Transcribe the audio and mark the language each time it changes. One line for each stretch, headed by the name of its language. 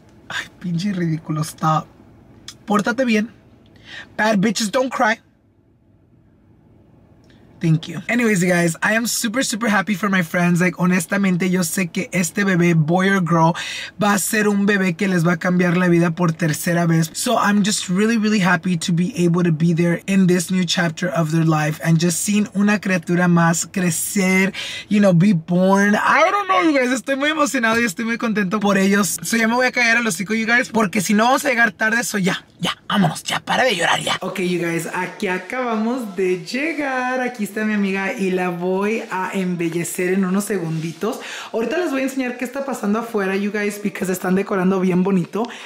Spanish: Ay, pinche ridículo, stop. Pórtate bien.
English: Bad bitches don't cry. Thank you. Anyways, you guys, I am super, super happy for my friends.
Spanish: Like, honestamente, yo sé que este bebé,
English: boy or girl,
Spanish: va a ser un bebé que les va a cambiar la vida por tercera vez.
English: So I'm just really, really happy to be able to be there in this new chapter of their life and just seeing
Spanish: una criatura más crecer,
English: you know, be born. I don't know, you guys.
Spanish: Estoy muy emocionado y estoy muy contento por ellos. So ya me voy a callar el hocico,
English: you guys,
Spanish: porque si no vamos a llegar tarde, so ya. Ya, vámonos, ya, para de llorar, ya.
English: Ok, you guys,
Spanish: aquí acabamos de llegar. Aquí está mi amiga y la voy a embellecer en unos segunditos. Ahorita les voy a enseñar qué está pasando afuera,
English: you guys,
Spanish: porque se están decorando bien bonito.